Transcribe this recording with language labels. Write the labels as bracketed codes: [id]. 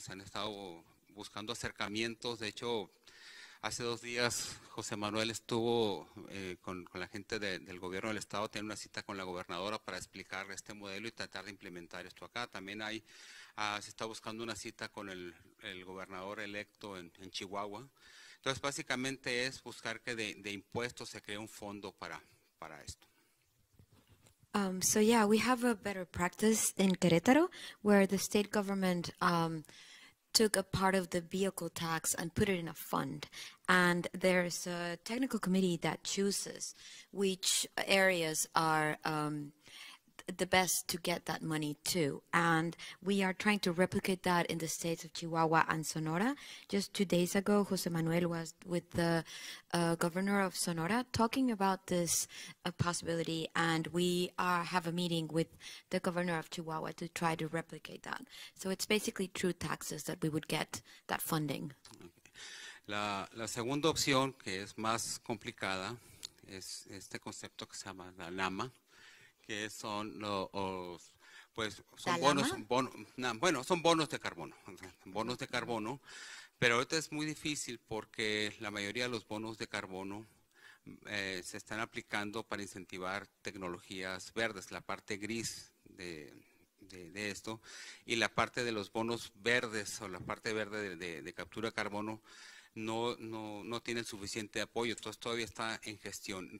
[es] Se han estado buscando acercamientos. De hecho, hace dos días José Manuel estuvo con la gente del gobierno del estado, tiene una cita con la gobernadora para explicarle este modelo y tratar de implementar esto acá. También se está buscando una cita con el gobernador electo en Chihuahua. Entonces, básicamente es buscar que de impuestos se cree un fondo para esto. [en] So yeah, we have a better practice in Querétaro where the state government took a part of the vehicle tax and put it in a fund. And there's a technical committee that chooses which areas are the best to get that money to. And we are trying to replicate that in the states of Chihuahua and Sonora. Just 2 days ago, Jose Manuel was with the governor of Sonora talking about this possibility. And we have a meeting with the governor of Chihuahua to try to replicate that. So it's basically through taxes that we would get that funding. Okay. [es] La segunda opción, que es más complicada, es este concepto que se llama la LAMA. Que son los, pues, son bonos, son bonos de carbono, pero ahorita es muy difícil porque la mayoría de los bonos de carbono se están aplicando para incentivar tecnologías verdes, la parte gris de esto, y la parte de los bonos verdes o la parte verde de captura de carbono no tiene suficiente apoyo, entonces todavía está en gestión.